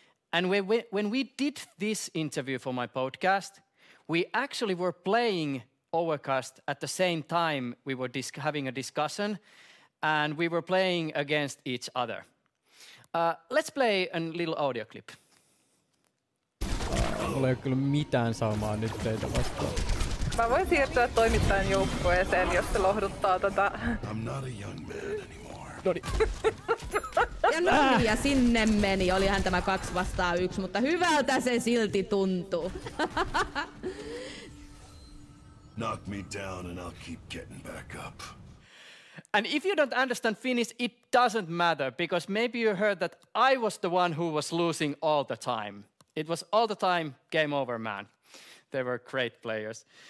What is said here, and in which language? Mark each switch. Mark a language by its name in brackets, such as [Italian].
[English] And when we did this interview for my podcast, we actually were playing Overcast at the same time we were having a discussion, and we were playing against each other. Let's play a little audio clip. [Finnish] Mulla ei ole kyllä mitään saamaan nyt teitä vastaan. Mä voin siirtyä toimittajan joukkueeseen, jos se lohduttaa tätä. [English] I'm not a young man anymore. [Finnish] Noni. Ja noin, ja sinne meni. Olihan tämä 2-1, mutta hyvältä se silti tuntuu. [English] Knock me down and I'll keep getting back up. And if you don't understand Finnish, it doesn't matter, because maybe you heard that I was the one who was losing all the time. It was all the time game over, man. They were great players.